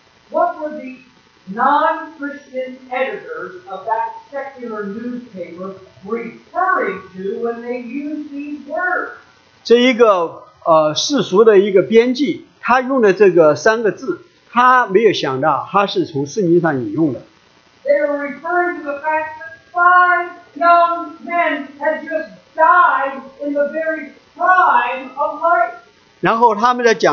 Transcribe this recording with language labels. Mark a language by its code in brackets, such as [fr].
[en] What were the non-Christian editors of that secular newspaper referring to when they used these words? [zh] 这一个世俗的一个编辑, 他用的这3个字, 他没有想到他是从圣经上引用的。 [en] They were referring to the fact that 5 young men had just died in the very prime of life.